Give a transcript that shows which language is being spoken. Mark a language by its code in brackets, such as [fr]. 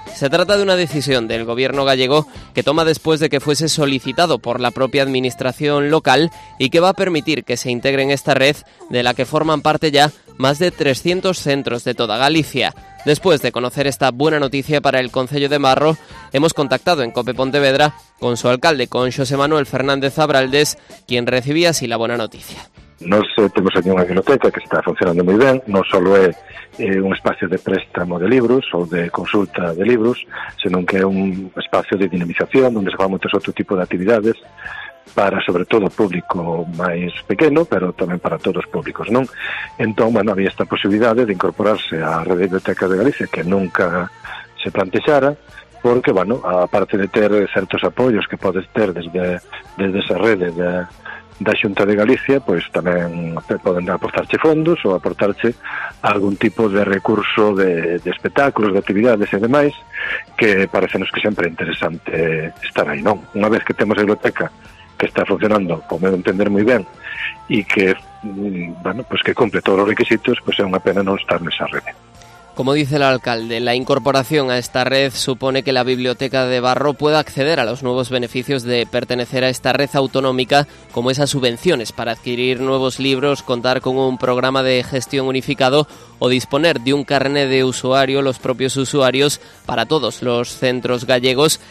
[es] Se trata de una decisión del gobierno gallego que toma después de que fuese solicitado por la propia administración local y que va a permitir que se integre en esta red, de la que forman parte ya más de 300 centros de toda Galicia. Después de conocer esta buena noticia para el Concello de Barro, hemos contactado en COPE Pontevedra con su alcalde, con José Manuel Fernández Abraldes, quien recibía así la buena noticia. [gl] Nos temos aquí unha biblioteca que está funcionando moi ben, non só é un espacio de préstamo de libros ou de consulta de libros, senón que é un espacio de dinamización onde se fan moitos outro tipo de actividades para, sobre todo, o público máis pequeno, pero tamén para todos os públicos, non? Entón, bueno, había esta posibilidade de incorporarse á Rede de Bibliotecas de Galicia, que nunca se plantexara, porque, bueno, aparte de ter certos apoios que podes ter desde esa rede da Xunta de Galicia, pois tamén poden aportarche fondos ou aportarche algún tipo de recurso de espectáculos, de actividades e demais, que parecenos que sempre é interesante estar aí, non? Unha vez que temos a biblioteca que está funcionando, como eu entender moi ben, e que, bueno, pues que cumple todos os requisitos, pois pues é unha pena non estar nesa rede. [es] Como dice el alcalde, la incorporación a esta red supone que la Biblioteca de Barro pueda acceder a los nuevos beneficios de pertenecer a esta red autonómica, como esas subvenciones para adquirir nuevos libros, contar con un programa de gestión unificado o disponer de un carné de usuario, los propios usuarios, para todos los centros gallegos.